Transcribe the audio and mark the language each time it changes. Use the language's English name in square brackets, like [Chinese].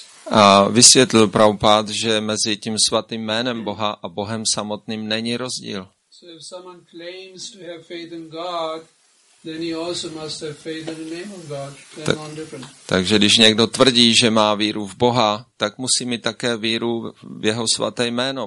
[Czech] A vysvětlil Prabhupada, že mezi tím svatým jménem Boha a Bohem samotným není rozdíl. [English] If someone claims to have faith in God, then he also must have faith in the name of God. [Czech] Takže když někdo tvrdí, že má víru v Boha, tak musí mít také víru v jeho svaté jméno.